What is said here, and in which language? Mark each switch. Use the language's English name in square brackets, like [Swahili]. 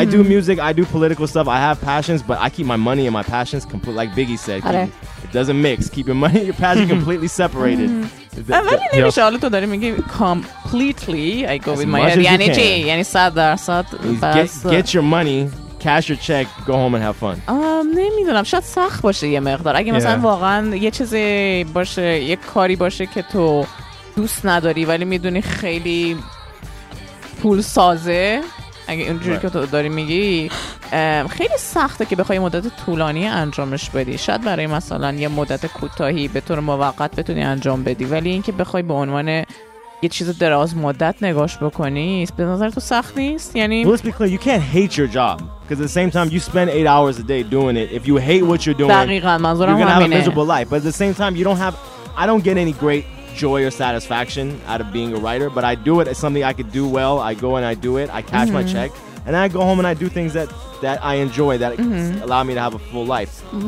[English] I do music, I do political stuff, I have passions, but I keep my money and my passions complete, like Biggie said. It doesn't mix. Keep your money and your passion completely separated. [Persian] ولی نمیشه حالا تو داری میگی [English] completely I go with my head [Persian] یعنی چی یعنی 100% [English] get your money cash your check go home and have fun [Persian] نمیدونم شاید سخت باشه یه مقدار اگه مثلا واقعا یه چیزی باشه یه کاری باشه که تو دوست نداری ولی میدونی خیلی پول سازه اگه اونجوری که تو داری میگی خیلی سخته که بخوای مدت طولانی انجامش بدی. شاید برای مثلا یه مدت کوتاهی به طور موقت بتونی انجام بدی، ولی اینکه بخوای به عنوان یه چیز دراز مدت نگاش بکنی، به نظر تو سخت نیست؟ یعنی [English] Let's be clear, you can't hate your job because at the same time you spend 8 hours a day doing it. If you hate what you're doing, [Persian] دقیقاً منظورم همینه. [English] You're gonna have a miserable life, but at the same time you don't have I don't get any great joy or satisfaction out of being a writer, but I do it as something I could do well. I go and I do it, I cash my check, and then I go home and I do things that I enjoy that allow me to have a full life. Mm-hmm.